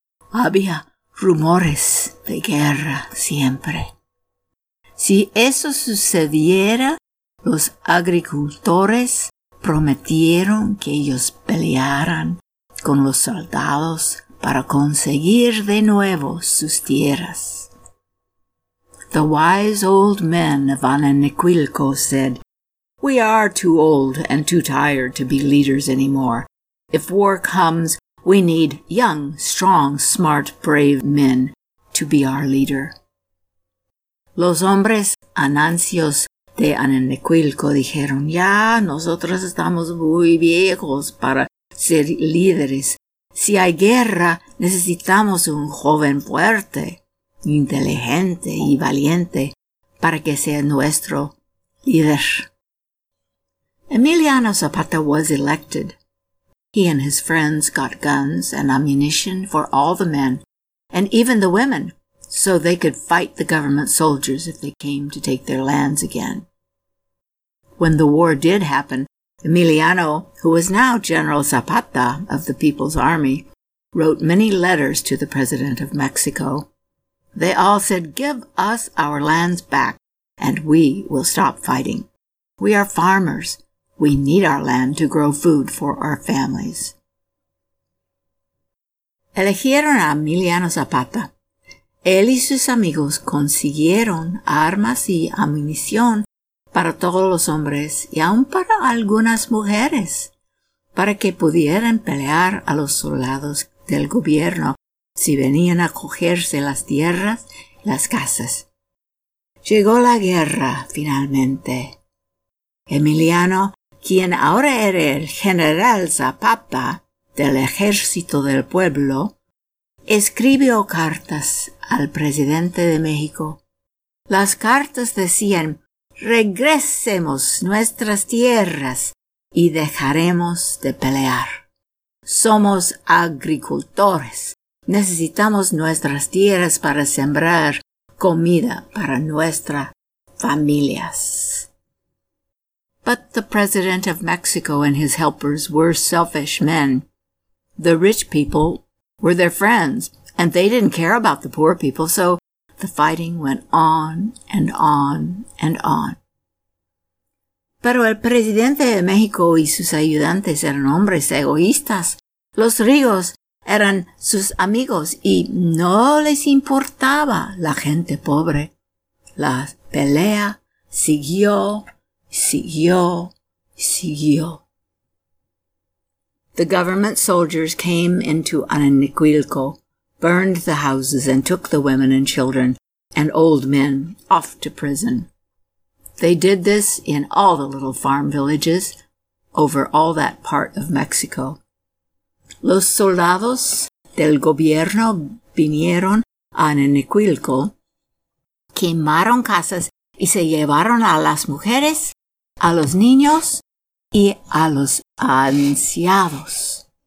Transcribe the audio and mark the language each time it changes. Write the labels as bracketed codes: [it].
[es] Había rumores de guerra siempre. Si eso sucediera, los agricultores prometieron que ellos pelearan con los soldados para conseguir de nuevo sus tierras. [en] The wise old men of Ananequilco said, "We are too old and too tired to be leaders anymore. If war comes, we need young, strong, smart, brave men to be our leader." [es] Los hombres anancios de Ananequilco dijeron, ya, nosotros estamos muy viejos para ser líderes. Si hay guerra, necesitamos un joven fuerte, inteligente y valiente para que sea nuestro líder. [en] Emiliano Zapata was elected. He and his friends got guns and ammunition for all the men, and even the women, so they could fight the government soldiers if they came to take their lands again. When the war did happen, Emiliano, who was now General Zapata of the People's Army, wrote many letters to the President of Mexico. They all said, "Give us our lands back, and we will stop fighting. We are farmers. We need our land to grow food for our families." [es] Eligieron a Emiliano Zapata. Él y sus amigos consiguieron armas y ammunición para todos los hombres y aun para algunas mujeres, para que pudieran pelear a los soldados del gobierno si venían a cogerse las tierras y las casas. Llegó la guerra, finalmente. Emiliano, quien ahora era el general Zapata del Ejército del Pueblo, escribió cartas al presidente de México. Las cartas decían, "Regresemos nuestras tierras y dejaremos de pelear. Somos agricultores. Necesitamos nuestras tierras para sembrar comida para nuestras familias." [en] But the president of Mexico and his helpers were selfish men. The rich people were their friends, and they didn't care about the poor people, so the fighting went on and on and on. [es] Pero el presidente de México y sus ayudantes eran hombres egoístas. Los ricos eran sus amigos y no les importaba la gente pobre. La pelea siguió, siguió, siguió. [en] The government soldiers came into Ananiquilco, burned the houses and took the women and children and old men off to prison. They did this in all the little farm villages over all that part of Mexico. [es] Los soldados del gobierno vinieron a Ananiquilco, quemaron casas y se llevaron a las mujeres, a los niños y a los ancianos.